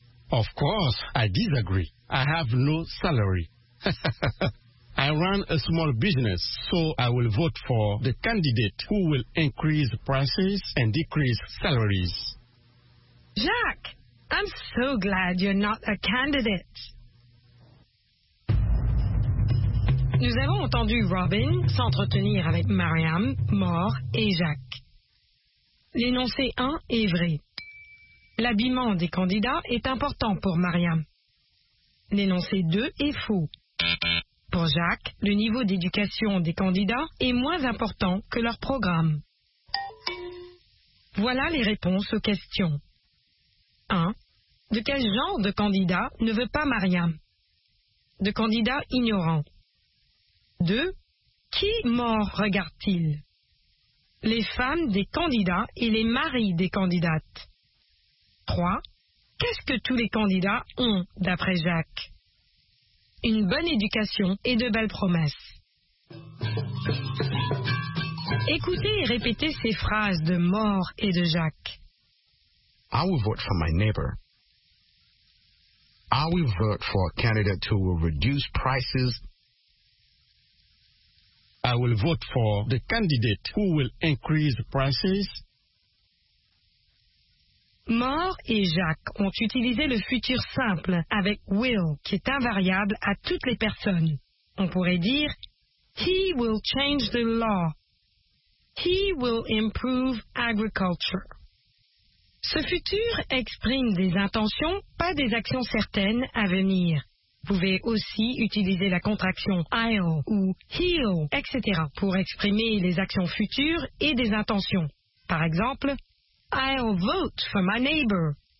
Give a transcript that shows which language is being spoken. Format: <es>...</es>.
<en>Of course, I disagree. I have no salary. I run a small business, so I will vote for the candidate who will increase prices and decrease salaries. Jacques, I'm so glad you're not a candidate.</en> <fr>Nous avons entendu Robin s'entretenir avec Mariam, Moore et Jacques. L'énoncé 1 est vrai. L'habillement des candidats est important pour Mariam. L'énoncé 2 est faux. Pour Jacques, le niveau d'éducation des candidats est moins important que leur programme. Voilà les réponses aux questions. 1. De quel genre de candidat ne veut pas Mariam? De candidat ignorant. 2. Qui mort regarde-t-il? Les femmes des candidats et les maris des candidates. 3. Qu'est-ce que tous les candidats ont, d'après Jacques? Une bonne éducation et de belles promesses. Écoutez et répétez ces phrases de Mort et de Jacques.</fr> <en>I will vote for my neighbor. I will vote for a candidate who will reduce prices. I will vote for the candidate who will increase prices.</en> <fr>Moore et Jacques ont utilisé le futur simple avec will, qui est invariable à toutes les personnes. On pourrait dire,</fr> <en>he will change the law. He will improve agriculture.</en> <fr>Ce futur exprime des intentions, pas des actions certaines à venir. Vous pouvez aussi utiliser la contraction I'll ou he'll, etc. pour exprimer les actions futures et des intentions. Par exemple,</fr> <en>I'll vote for my neighbor.</en>